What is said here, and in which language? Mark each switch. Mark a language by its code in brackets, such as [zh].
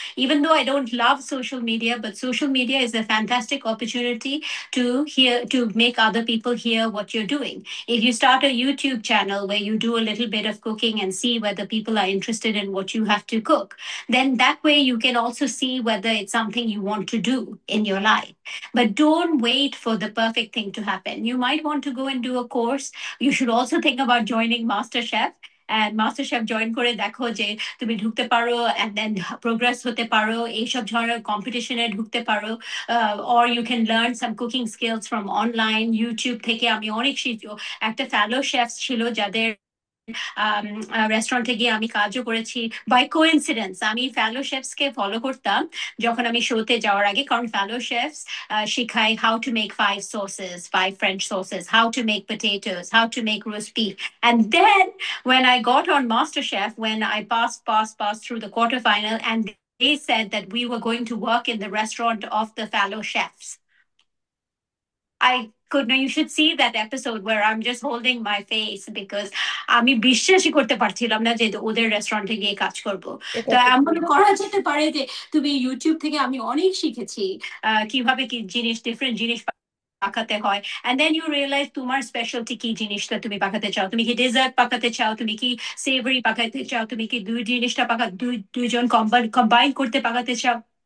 [en] Even though I don't love social media, but social media is a fantastic opportunity to hear to make other people hear what you're doing. If you start a YouTube channel way you do a little bit of cooking and see whether people are interested in what you have to cook, then that way you can also see whether it's something you want to do in your life. But don't wait for the perfect thing to happen. You might want to go and do a course. You should also think about joining MasterChef. [bn] And master chef join করে দেখো যে তুমি ঢুকতে পারো and then progress হতে পারো, এইসব ধরনের কম্পিটিশনে ঢুকতে পারো, [en] or you can learn some cooking skills from online YouTube [bn] থেকে। আমি অনেক একটা ফেলো শেফ ছিল যাদের রেস্টুরেন্টে গিয়ে আমি কাজও করেছি [en] by coincidence, [bn] আমি ফেলো শেফস কে ফলো করতাম যখন আমি শোতে যাওয়ার আগে, কারণ ফেলো শেফস শিখায় [en] How to make five sauces, five French sauces, how to make potatoes, how to make roast beef. And then when I got on MasterChef, when I pass pass pass through the quarter final, and they said that we were going to work in the restaurant of the fellow chefs. I could now you should see that episode where I'm just holding my face because [bn] আমি বিশ্বাসই করতে পারছিলাম না যে ওদের রেস্টুরেন্টে গিয়ে কাজ করব। তো এমন করা যেতে পারে যে তুমি ইউটিউব থেকে, আমি অনেক শিখেছি কিভাবে কি জিনিস ডিফারেন্ট জিনিস পাকাতে হয়, [en] and then you realize [bn] তোমার স্পেশালটি কি জিনিসটা তুমি পাকাতে চাও। তুমি কি ডেজার্ট পাকাতে চাও, তুমি কি সেভরি পাকাতে চাও, তুমি কি দুই জিনিসটা পাকা দুই দুইজন কম্বাইন করতে পাকাতে চাও।